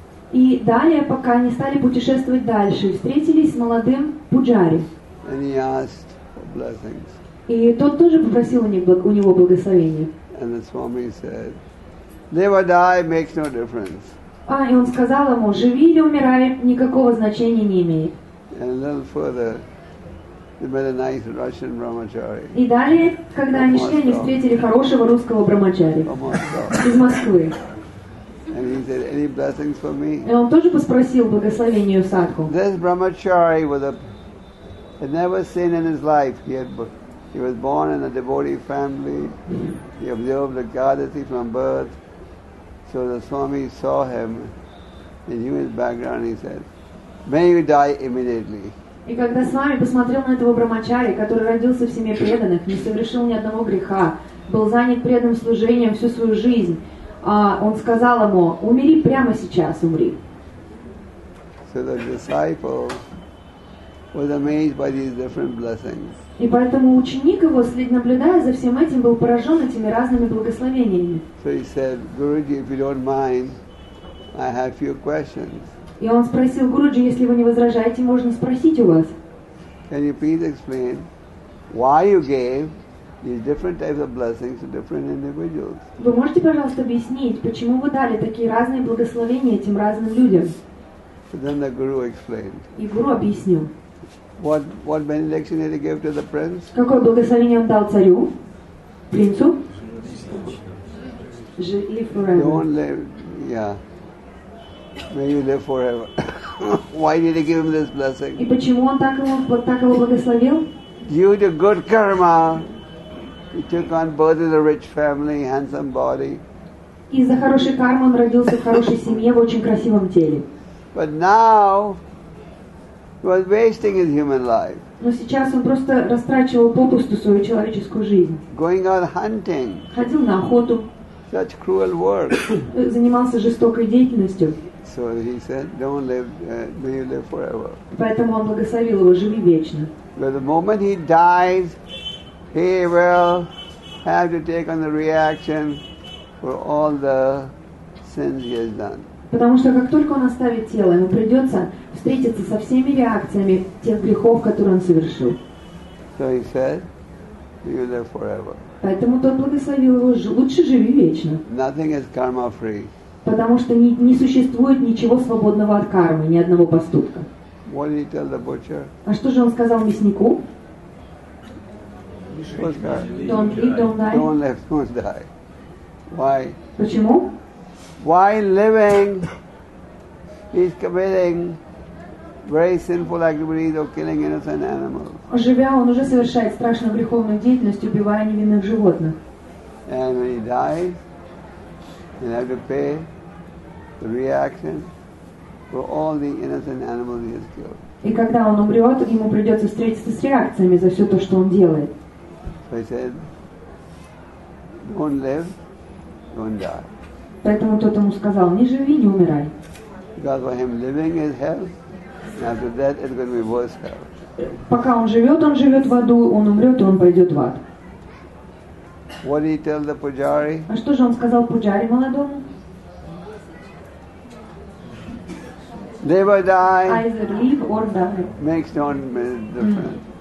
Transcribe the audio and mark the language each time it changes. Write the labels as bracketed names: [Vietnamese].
[Russian] И далее, пока они стали путешествовать дальше, встретились с молодым пуджари. [English] And he asked for blessings. [Russian] И тот тоже попросил у него благословения. [English] And the Swami said, "Live or die makes no difference." [Russian] А и он сказал ему: живи или умирай, никакого значения не имеет. [English] And a little further, they met a nice Russian brahmachari. [Russian] И далее, когда они шли, они встретили хорошего русского брахмачари из Москвы. [English] And he said, "Any blessings for me?" [Russian] И он тоже поспросил благословение у садху. [English] This brahmachari had never seen in his life. He was born in a devotee family. He observed the Gadati from birth. So the Swami saw him and knew his background. He said, "May you die immediately." [Russian] И когда Свами посмотрел на этого брахмачари, который родился в семье преданных, не совершил ни одного греха, был занят преданным служением всю свою жизнь, он сказал ему: умри прямо сейчас, умри. [English] So the disciple was amazed by these different blessings. [Russian] И поэтому ученик его, наблюдая за всем этим, был поражен этими разными благословениями. [English] So he said, "Guruji, if you don't mind, I have a few questions." [Russian] И он спросил: Гуруджи, если вы не возражаете, можно спросить у вас. [English] Can you please explain why you gave these different types of blessings to different individuals? [Russian] Вы можете, пожалуйста, объяснить, почему вы дали такие разные благословения этим разным людям? [English] Then the guru explained. [Russian] И гуру объяснил. [English] What benediction did he give to the prince? [Russian] Какое благословение он дал царю, принцу? [English] Live forever. Don't live, yeah. May you live forever. Why did he give him this blessing? [Russian] И почему он так его благословил? [English] Due to good karma, he took on birth in a rich family, handsome body. [Russian] Из-за хорошей кармы он родился в хорошей семье, в очень красивом теле. [English] But now he was wasting his human life. [Russian] Но сейчас он просто растрачивал попусту свою человеческую жизнь. [English] Going out hunting. [Russian] Ходил на охоту. [English] Such cruel work. [Russian] Занимался жестокой деятельностью. [English] So he said, "Don't live. May you live forever." [Russian] Поэтому он благословил его: живи вечно. [English] But the moment he dies, he will have to take on the reaction for all the sins he has done. [Russian] Потому что как только он оставит тело, ему придется встретиться со всеми реакциями тех грехов, которые он совершил. [English] So he said, "You live forever." [Russian] Поэтому тот благословил его: лучше живи вечно. [English] Nothing is karma free. [Russian] Потому что не существует ничего свободного от кармы, ни одного поступка. [English] What did he tell the butcher? [Russian] А что же он сказал мяснику? [English] Don't live, don't die. Why? [Russian] Почему? [English] Why living? He's committing very sinful activities of killing innocent animals. [Russian] Живя, он уже совершает страшную греховную деятельность, убивая невинных животных. [English] And when he dies, he'll have to pay the reaction for all the innocent animals he has killed. [Russian] И когда он умрет, ему придется встретиться с реакциями за все то, что он делает. [English] So he said, "Don't live, don't die." [Russian] Поэтому тот ему сказал: не живи, не умирай. [English] Because for him living is hell, and after that it's going to be worse hell. [Russian] Пока он живет в аду, он умрет, и он пойдет в ад. [English] What did he tell the pujari? [Russian] А что же он сказал пуджари молодому? [English] Live or die. Either live or die. Makes no difference.